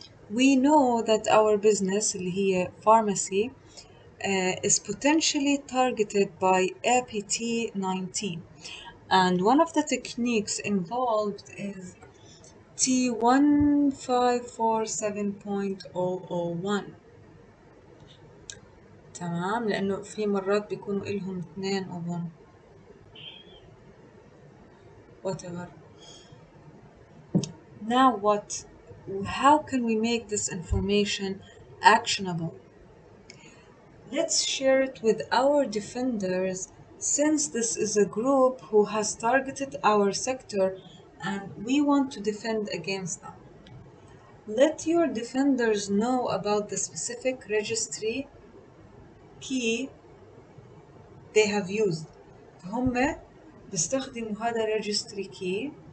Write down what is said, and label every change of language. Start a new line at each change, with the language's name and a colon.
English: We know that our business
Arabic: اللي هي
English: pharmacy is potentially targeted by APT-19 and one of the techniques involved is T1547.001.
Arabic: تمام لأنه في مرات بيكونوا إلهم اثنين أظن whatever.
English: Now what? How can we make this information actionable? Let's share it with our defenders since this is a group who has targeted our sector and we want to defend against them. Let your defenders know about the specific registry key they have used.
Arabic: هم بيستخدموا هذا registry key.